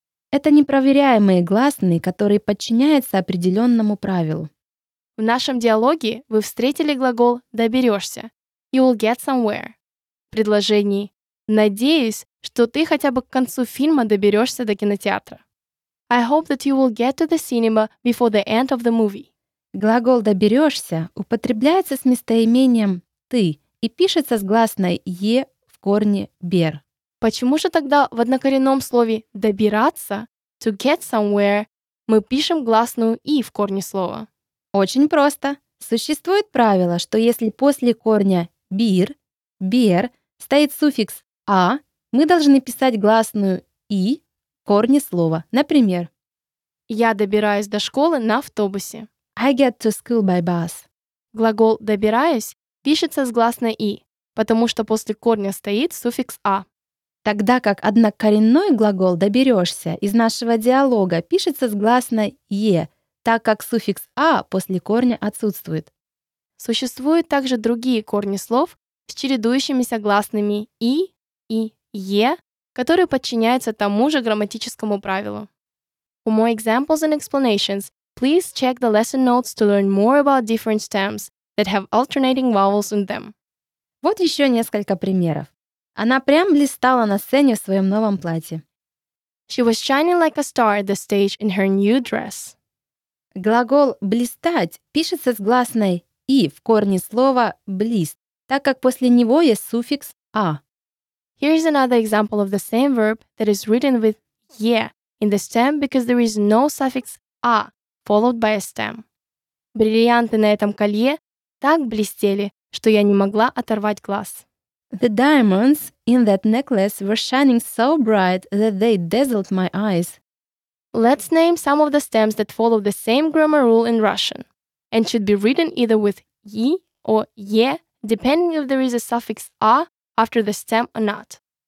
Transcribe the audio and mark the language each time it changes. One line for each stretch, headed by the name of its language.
Russian: Это непроверяемые гласные, которые подчиняются определенному правилу. В нашем диалоге вы встретили глагол «доберешься» – «you'll get somewhere» в предложении «надеюсь, что ты хотя бы к концу фильма доберешься до кинотеатра».
English: I hope that you will get to the cinema before the end of the movie.
Russian: Глагол «доберешься» употребляется с местоимением «ты» и пишется с гласной «е» в корне «бер». Почему же тогда в однокоренном слове «добираться» to get somewhere мы пишем гласную «и» в корне слова? Очень просто. Существует правило, что если после корня «бир» «бер» стоит суффикс «а», мы должны писать гласную «и» в корне слова. Например, «я добираюсь до школы на автобусе».
English: I get to school by bus.
Russian: Глагол «добираюсь» пишется с гласной «и», потому что после корня стоит суффикс «а». Тогда как однокоренной глагол «доберешься» из нашего диалога пишется с гласной «е», так как суффикс «а» после корня отсутствует. Существуют также другие корни слов с чередующимися гласными «и» и «е», которые подчиняются тому же грамматическому правилу.
English: For more examples and explanations, please check the lesson notes to learn more about different stems that have alternating vowels in them.
Russian: Вот еще несколько примеров. Она прям блистала на сцене в своем новом платье.
English: She was shining like a star at the stage in her new dress.
Russian: Глагол «блистать» пишется с гласной «и» в корне слова «блист», так как после него есть суффикс «а».
English: Here is another example of the same verb that is written with «е» in the stem because there is no suffix «а» followed by a stem.
Russian: Бриллианты на этом колье так блестели, что я не могла оторвать глаз.
English: The diamonds in that necklace were shining so bright that they dazzled my eyes. Let's name some of the stems that follow the same grammar rule in Russian and should be written either with «и» or «е», depending if there is a suffix «а» after the stem or not.